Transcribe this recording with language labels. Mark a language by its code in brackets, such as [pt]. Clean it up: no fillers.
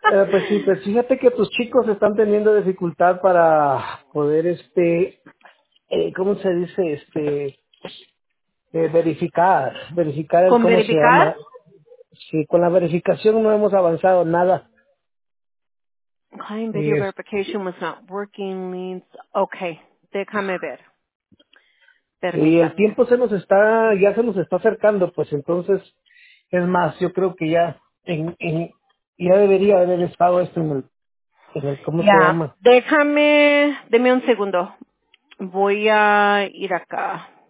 [es] Pues sí, pues fíjate que tus chicos están teniendo dificultad para poder, ¿cómo se dice? Verificar. ¿Con cómo verificar? Se llama. Sí, con la verificación no hemos avanzado nada. [en] Client video verification was not working means, okay, [es] déjame ver. Permítame. Y el tiempo se nos está acercando, pues entonces, es más, yo creo que ya ya debería haber estado esto en el ¿cómo ya. Se llama? Déjame, deme un segundo, voy a ir acá.